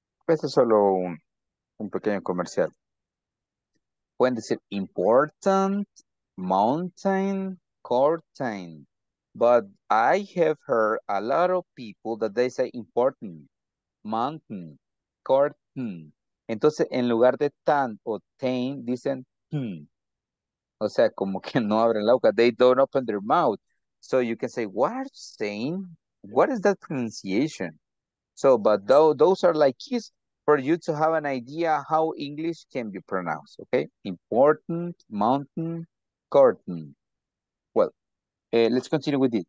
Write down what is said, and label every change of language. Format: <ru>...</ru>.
<es>Este es solo un pequeño comercial. Pueden decir important, mountain, curtain.</es> <en>But I have heard a lot of people that they say important, mountain, curtain.</en> <es>Entonces, en lugar de tan o ten, dicen hmm. O sea, como que no abren la boca.</es> <en>They don't open their mouth. So you can say, what are you saying? What is that pronunciation? So, but those are like keys for you to have an idea how English can be pronounced, okay? Important, mountain, curtain. Well, let's continue with it.</en>